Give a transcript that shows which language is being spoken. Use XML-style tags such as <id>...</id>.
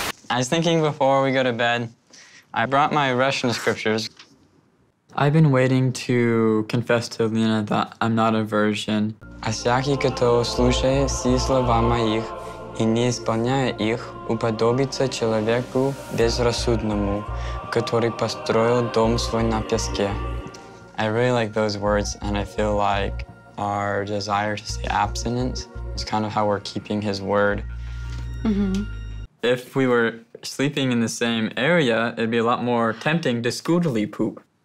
<en>I was thinking before we go to bed, I brought my Russian scriptures. I've been waiting to confess to Lena that I'm not a virgin.</en> <ru>А всякий, кто слушает все слова моих и не исполняет их, уподобится человеку безрассудному, который построил дом свой на песке.</ru> <en>I really like those words, and I feel like our desire to stay abstinent is kind of how we're keeping his word. Mm-hmm. If we were sleeping in the same area, it'd be a lot more tempting to scootily poop.</en>